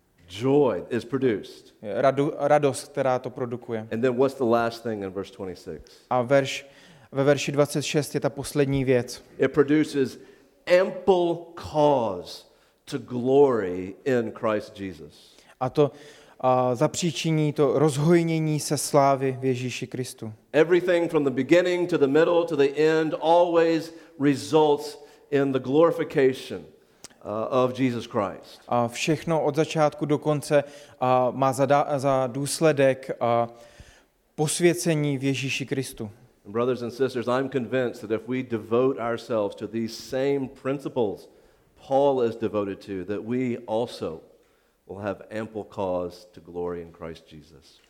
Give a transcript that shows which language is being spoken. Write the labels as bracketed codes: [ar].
[en] Joy is produced. [cs] Radost, která to produkuje. [en] And then what's the last thing in verse 26? [cs] A ve verši 26 je ta poslední věc. [en] It produces ample cause to glory in Christ Jesus. [cs] A to zapříčiní to rozhojnění se slávy v Ježíši Kristu. [en] Everything from the beginning to the middle to the end always results in the glorification of Jesus Christ. [cs] A všechno od začátku do konce má za důsledek posvěcení v Ježíši Kristu. [en] Brothers and sisters, I'm convinced that if we devote ourselves to these same principles Paul is devoted to, that we also will have ample cause to glory in Christ Jesus.